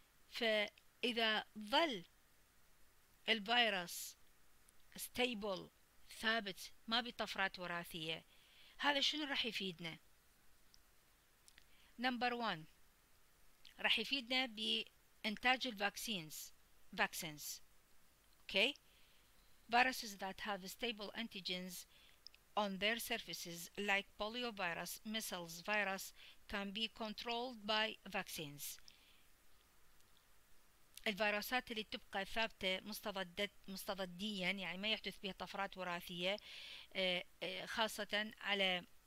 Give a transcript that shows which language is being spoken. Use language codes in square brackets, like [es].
[ar] فإذا ظل الفيروس ستيبل ثابت ما بطفرات وراثية, هذا شنو راح يفيدنا؟ نمبر 1 راح يفيدنا بإنتاج الفاكسينز, فاكسينز. [en] Okay, viruses that have stable antigens on their surfaces like polio virus, measles virus can be controlled by vaccines. [ar] الفيروسات اللي تبقى ثابتة مستضديا, يعني ما يحدث بها طفرات وراثية, خاصة على